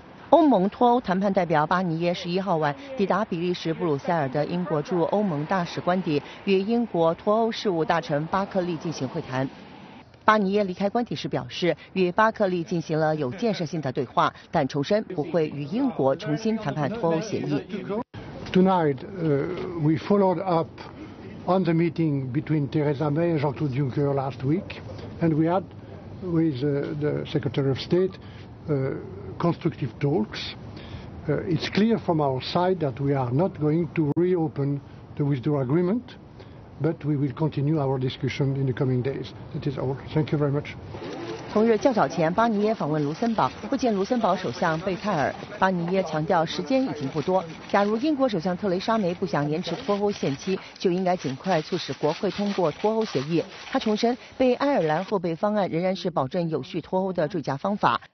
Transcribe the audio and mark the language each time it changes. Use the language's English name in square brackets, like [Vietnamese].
[Chinese] 欧盟脱欧谈判代表巴尼耶11号晚抵达比利时布鲁塞尔的英国驻欧盟大使官邸，与英国脱欧事务大臣巴克利进行会谈。巴尼耶离开官邸时表示，与巴克利进行了有建设性的对话，但重申不会与英国重新谈判脱欧协议。 [English] Tonight, we followed up on the meeting between Theresa May and Jean-Claude Juncker last week, and we had with the Secretary of State constructive talks. It's clear from our side that we are not going to reopen the withdrawal agreement, but we will continue our discussion in the coming days. That is all. Thank you very much. [Chinese] 同日较早前，巴尼耶访问卢森堡，会见卢森堡首相贝泰尔。巴尼耶强调，时间已经不多。假如英国首相特蕾莎梅不想延迟脱欧限期，就应该尽快促使国会通过脱欧协议。他重申，被爱尔兰后备方案仍然是保证有序脱欧的最佳方法。